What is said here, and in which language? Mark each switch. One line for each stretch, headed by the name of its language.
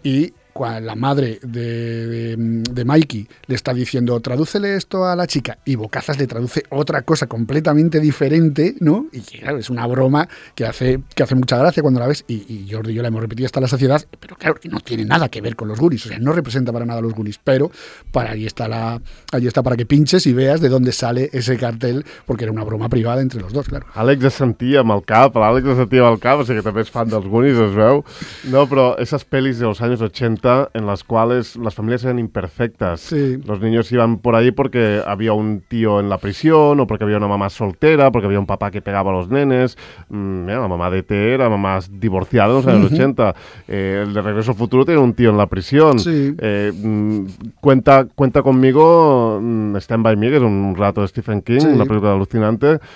Spanish: Y la madre de Mikey le está diciendo, tradúcele esto a la chica, y Bocazas le traduce otra cosa completamente diferente, ¿no? Y claro, es una broma que hace mucha gracia cuando la ves, y Jordi y yo la hemos repetido hasta la saciedad, pero claro, no tiene nada que ver con los Goonies, o sea, no representa para nada a los Goonies, pero ahí está para que pinches y veas de dónde sale ese cartel, porque era una broma privada entre los dos, claro.
Catalan: Àlex es sentia amb el cap, l'Àlex es sentia amb el cap, o sigui que també és fan dels Goonies, es veu, no, però
Spanish: esas pelis de los años 80 en las cuales las familias eran imperfectas. Sí. Los niños iban por ahí porque había un tío en la prisión, o porque había una mamá soltera, porque había un papá que pegaba a los nenes. Mira, la mamá de T era mamá divorciada en los años 80. El de Regreso al Futuro tiene un tío en la prisión. Sí. Cuenta conmigo, Stand by Me, que es un rato de Stephen King, sí, una película alucinante.